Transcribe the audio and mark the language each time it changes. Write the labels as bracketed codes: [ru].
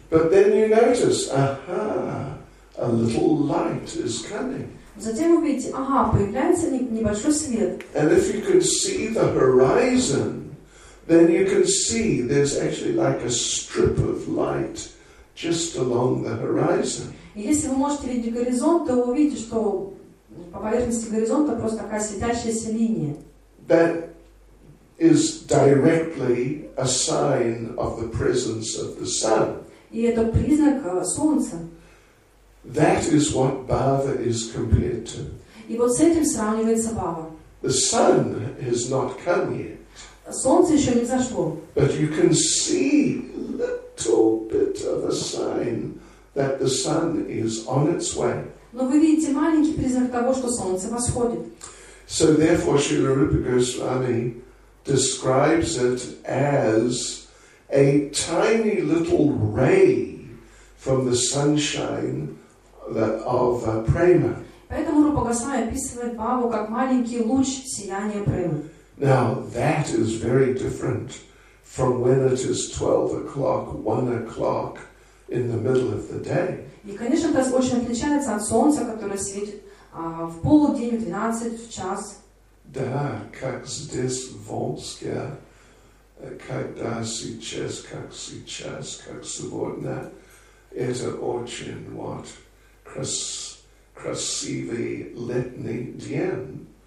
[en] But then you notice, aha, a little light is coming. [ru] Затем вы видите, ага, появляется небольшой свет. [en] And if you can see the horizon, then you can see there's actually like a strip of light just along the horizon. [ru] И если вы можете видеть горизонт, то вы увидите, что по поверхности горизонта просто такая светящаяся линия. [en] That is directly a sign of the presence of the sun. [ru] И это признак солнца. [en] That is what bhava is compared to. [ru] И вот с этим сравнивается бхава. [en] The sun has not come yet. [ru] Солнце еще не зашло. [en] But you can see a little bit of a sign that the sun is on its way. [ru] Но вы видите маленький признак того, что солнце восходит. [en] So therefore Srila Rupa Goswami describes it as a tiny little ray from the sunshine of prema. [ru] Поэтому Рупа Госвами описывает бхаву как маленький луч сияния премы. [en] Now that is very different from when it is 12 o'clock, 1 o'clock in the middle of the day. [ru] И, конечно, это очень отличается от солнца, которое светит в полдень, в 12, в час. Да, как здесь, в Омске, когда сейчас, как сегодня, это очень, вот, красивый летний день.